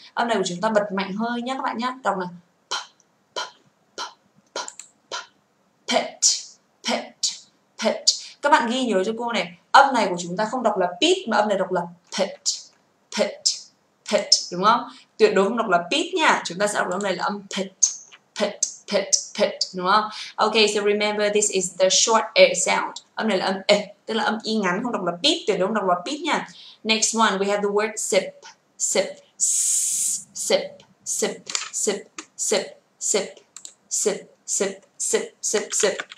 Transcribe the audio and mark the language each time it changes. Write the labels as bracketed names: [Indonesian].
[Vietnamese] Âm này của chúng ta bật mạnh hơi nhé các bạn nhé. Đọc là p, p, p, p, p, p. Pit, pit, pit. Các bạn ghi nhớ cho cô này, âm này của chúng ta không đọc là pit, mà âm này đọc là pit, pit, pit, đúng không? Tuyệt đối không đọc là pit nha, chúng ta sẽ đọc âm này là âm pit, pit, pit, pit, đúng không? [English] Okay, so remember this is the short a sound. [Vietnamese] Âm này là âm e, tức là âm y ngắn, không đọc là pit, tuyệt đối không đọc là pit nha. [English] Next one, we have the word sip, sip, sip, sip, sip, sip, sip, sip, sip, sip, sip, sip.